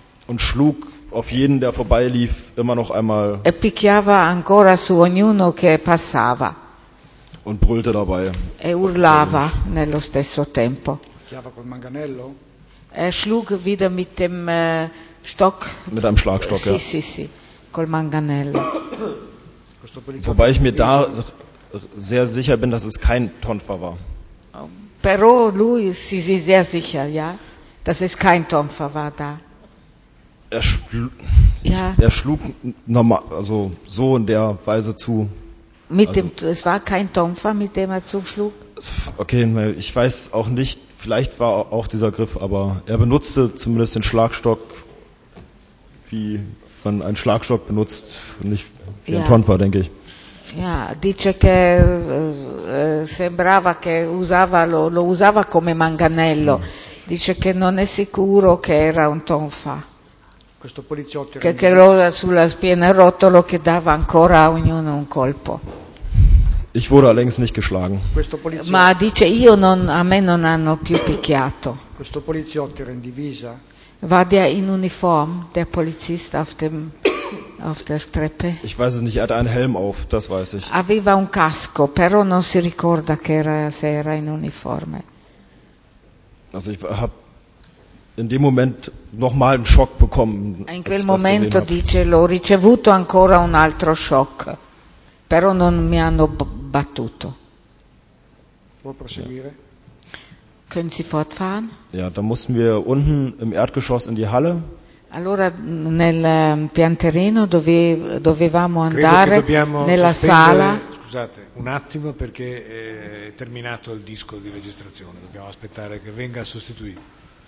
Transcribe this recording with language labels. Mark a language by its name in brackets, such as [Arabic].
[German] Und schlug auf jeden, der vorbeilief, immer noch einmal. [Italian] E picchiava ancora su ognuno che passava. [German] Und brüllte dabei. [Italian] E urlava nello stesso tempo. Picchiava col manganello. [German] Er schlug wieder mit dem Stock. Mit einem Schlagstock, [Italian] ja. Sì, sì, sì. Col manganello. [German] Wobei ich mir da sehr sicher bin, dass es kein Tonfa war. [Italian] Però lui si è [German] sehr sicher, ja, dass es kein Tonfa war da. Er schlug normal, also so in der Weise zu. Es war kein Tonfa, mit dem er zuschlug. Okay, ich weiß auch nicht. Vielleicht war auch dieser Griff, aber er benutzte zumindest den Schlagstock wie man einen Schlagstock benutzt und nicht wie ein Tonfa, denke ich. [Italian] Ja, dice che sembrava che usava lo usava come manganello. Dice che non è sicuro che era un tonfa. Questo poliziotto che lo sulla spina rotolo che dava ancora a ognuno un colpo. [German] Ich wurde allerdings nicht geschlagen. [Italian] Ma dice io non a me non hanno più picchiato. Questo poliziotto era in divisa. [German] War der in Uniform, der Polizist auf dem auf der Treppe? Ich weiß es nicht, er hatte einen Helm auf, das weiß ich. [Italian] Aveva un casco, però non si ricorda che era se era in uniforme. [German] Also ich habe in dem Moment nochmal einen Schock bekommen. [Italian] In quel momento dice l'ho ricevuto ancora un altro shock, però non mi hanno battuto. Può proseguire? [German] Können Sie fortfahren? Ja, da mussten wir unten im Erdgeschoss in die Halle. [Italian] Allora nel pian terreno dovevamo andare nella sala. Scusate, un attimo perché è terminato il disco di registrazione. Dobbiamo aspettare che venga sostituito.